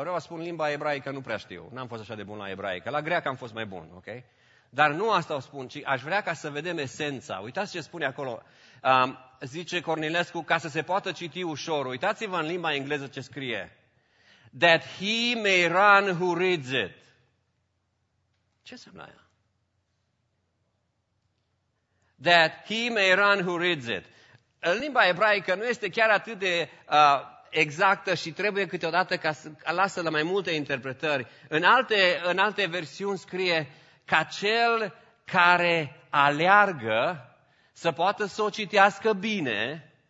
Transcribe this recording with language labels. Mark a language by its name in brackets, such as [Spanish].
[Romanian] Vreau să spun limba ebraică, nu prea știu. N-am fost așa de bun la ebraică. La greacă am fost mai bun, ok? Dar nu asta o spun, ci aș vrea ca să vedem esența. Uitați ce spune acolo. Zice Cornilescu, ca să se poată citi ușor. Uitați-vă în limba engleză ce scrie. [English] That he may run who reads it. [Romanian] Ce înseamnă aia? [English] That he may run who reads it. [Romanian] În limba ebraică nu este chiar atât de exactă și trebuie câteodată ca să lasă la mai multe interpretări. În alte versiuni scrie ca cel care aleargă să poată să o citească bine.